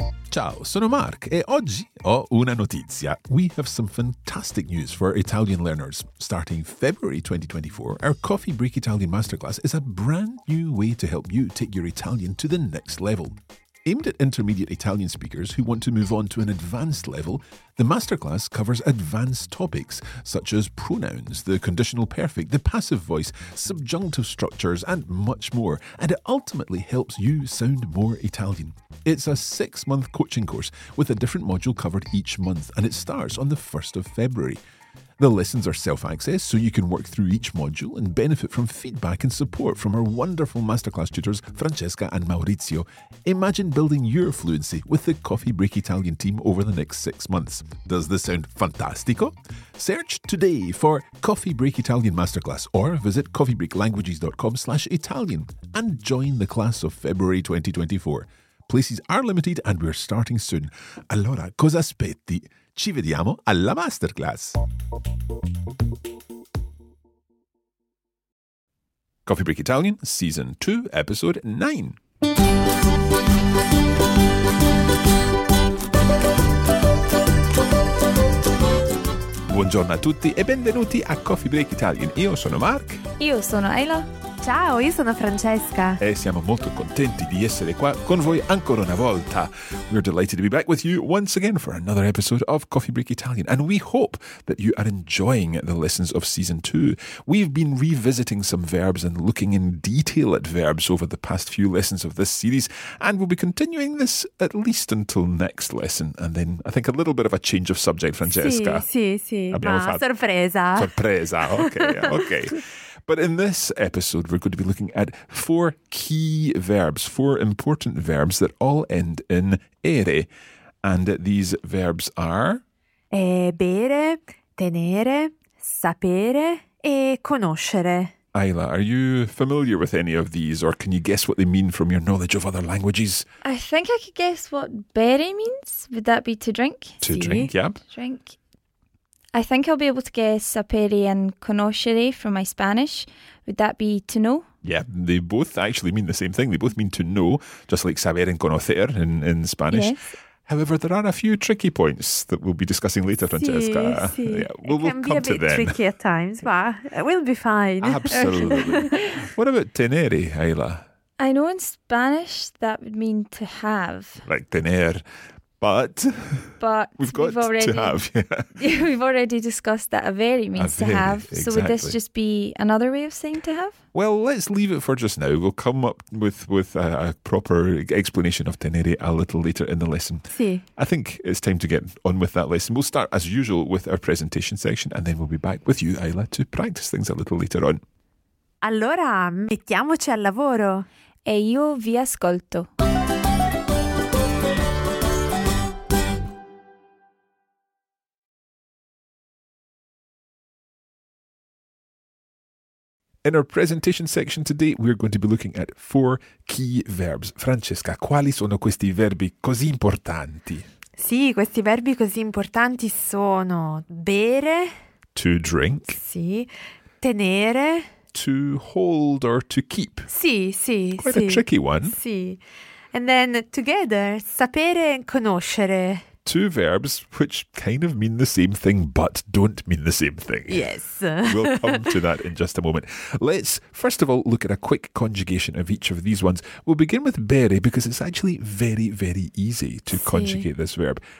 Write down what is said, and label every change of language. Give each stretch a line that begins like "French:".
Italian: Ciao, sono Mark e oggi ho una notizia.
English: We have some fantastic news for Italian learners. Starting February 2024, our Coffee Break Italian Masterclass is a brand new way to help you take your Italian to the next level. Aimed at intermediate Italian speakers who want to move on to an advanced level, the masterclass covers advanced topics such as pronouns, the conditional perfect, the passive voice, subjunctive structures, and much more, and it ultimately helps you sound more Italian. It's a six-month coaching course with a different module covered each month, and it starts on the 1st of February. The lessons are self-access, so you can work through each module and benefit from feedback and support from our wonderful masterclass tutors, Francesca and Maurizio. Imagine building your fluency with the Coffee Break Italian team over the next 6 months. Does this sound fantastico? Search today for Coffee Break Italian Masterclass or visit coffeebreaklanguages.com/Italian and join the class of February 2024. Places are limited and we're starting soon.
Italian: Allora, cosa aspetti? Ci vediamo alla masterclass.
English: Coffee Break Italian, Season 2, Episode 9.
Italian: Buongiorno a tutti e benvenuti a Coffee Break Italian. Io sono Mark. Io sono Ayla. Ciao, io sono Francesca. E siamo molto contenti di essere qua con voi ancora una volta.
English: We're delighted to be back with you once again for another episode of Coffee Break Italian. And we hope that you are enjoying the lessons of season two. We've been revisiting some verbs and looking in detail at verbs over the past few lessons of this series. And we'll be continuing this at least until next lesson. And then I think a little bit of a change of subject, Francesca.
Italian: Sì, sì, sì. Sorpresa.
English: Okay. But in this episode, we're going to be looking at four key verbs, four important verbs that all end in ere. And these verbs are...
Italian: Bere, tenere, sapere e conoscere.
English: Ayla, are you familiar with any of these or can you guess what they mean from your knowledge of other languages? I think I could guess what bere means. Would that be to drink? To drink. I think I'll be able to guess sapere and conoscere from my Spanish. Would that be to know? Yeah, they both actually mean the same thing. They both mean to know, just like saber and conocer in Spanish. Yes. However, there are a few tricky points that we'll be discussing later, Francesca.
Italian: Sí, sí.
English: Yeah, we'll come to them. It can be a bit tricky at times, but we'll be fine. Absolutely. What about tenere, Ayla? I know in Spanish that would mean to have. Like tener. But we've already discussed that avere means
Italian: avere,
English: to have. Exactly. So would this just be another way of saying to have? Well, let's leave it for just now. We'll come up with a proper explanation of tenere a little later in the lesson.
Italian: Sí.
English: I think it's time to get on with that lesson. We'll start, as usual, with our presentation section and then we'll be back with you, Ayla, to practice things a little later on.
Italian: Allora, mettiamoci al lavoro. E io vi ascolto.
English: In our presentation section today, we're going to be looking at four key verbs.
Italian: Francesca, quali sono questi verbi così importanti? Sì, questi verbi così importanti sono bere.
English: To drink.
Italian: Sì. Tenere.
English: To hold or to keep.
Italian: Sì, sì.
English: Quite a tricky one.
Italian: Sì.
English: And then together, sapere e conoscere. Two verbs which kind of mean the same thing but don't mean the same thing. Yes. We'll come to that in just a moment. Let's first of all look at a quick conjugation of each of these ones. We'll begin with bere because it's actually very, very easy to conjugate this verb.